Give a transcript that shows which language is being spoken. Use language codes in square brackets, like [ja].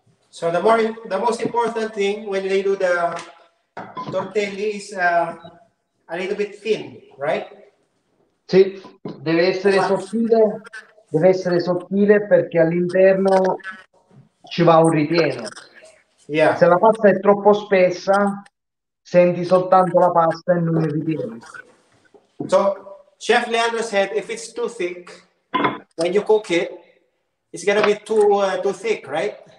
[en] So the most important thing when they do the tortelli is a little bit thin, right? [it] Sì, deve essere sottile perché all'interno ci va un ripieno. Se la pasta è troppo spessa, senti soltanto la pasta e non il ripieno. [en] So Chef Leandro said if it's too thick when you cook it, it's gonna be too thick, right?